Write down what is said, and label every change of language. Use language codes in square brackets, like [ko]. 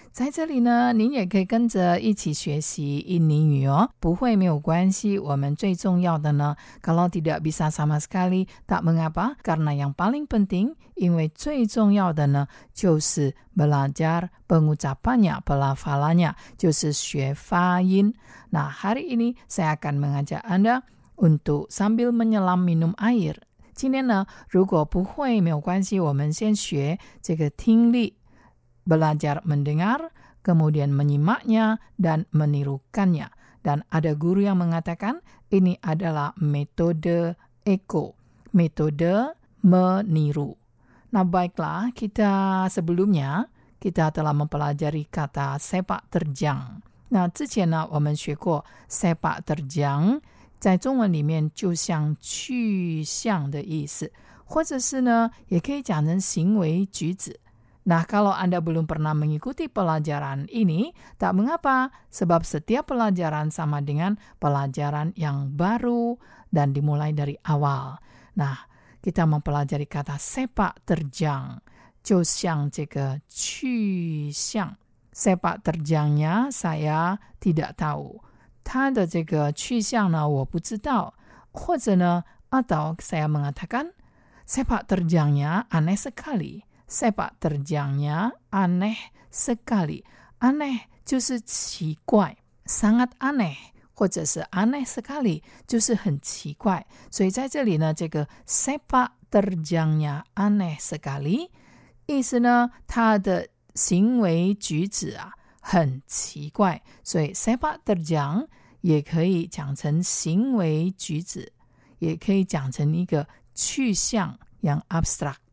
[zh] 在这里呢，您也可以跟着一起学习印尼语哦，不会没有关系。我们最重要的呢， [id] kalau tidak bisa sama sekali, tak mengapa, karena yang paling penting, [zh] 因为最重要的呢，就是 [id] belajar pengucapannya, pelafalannya, [zh] 就是学发音。 [id] Nah, hari ini saya akan mengajak Anda untuk sambil menyelam minum air. [zh] 今天呢，如果不会没有关系，我们先学这个听力。 [id] Belajar mendengar, kemudian menyimaknya, dan menirukannya. Dan ada guru yang mengatakan ini adalah metode echo, metode meniru. Nah baiklah, kita sebelumnya, kita telah mempelajari kata sepak terjang. Nah, [zh] 之前呢，我们学过 sepak terjang, 在中文里面就像去向的意思，或者是呢，也可以讲成行为举止。 [id] Nah, kalau Anda belum pernah mengikuti pelajaran ini, tak mengapa, sebab setiap pelajaran sama dengan pelajaran yang baru dan dimulai dari awal. Nah, kita mempelajari kata sepak terjang, [zh] 就像这个去向. [id] Sepak terjangnya saya tidak tahu. [zh] 它的这个去向呢，我不知道。或者呢， [id] atau saya mengatakan, sepak terjangnya aneh sekali. Sepak terjangnya aneh sekali. [zh] Aneh 就是奇怪 [id] sangat aneh [zh] 或者是 aneh sekali 就是很奇怪，所以在这里呢，这个 [id] sepak terjangnya aneh sekali [zh] 意思呢，他的行为举止啊很奇怪，所以 sepak terjang 也可以讲成行为举止，也可以讲成一个去向 [id] yang abstract。